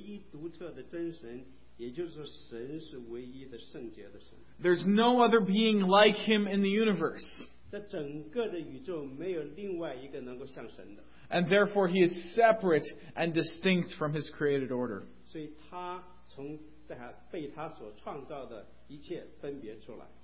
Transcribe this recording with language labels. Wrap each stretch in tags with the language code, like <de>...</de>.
<zh>这事实上说神是唯一独特的真神, 也就是说神是唯一的圣洁的神。</zh> <en>There's no other being like Him in the universe.</en> <zh>在整个的宇宙没有另外一个能够像神的。</zh> <en>And therefore He is separate and distinct from His created order.</en> <zh>所以他从被他所创造的一切分别出来。</zh>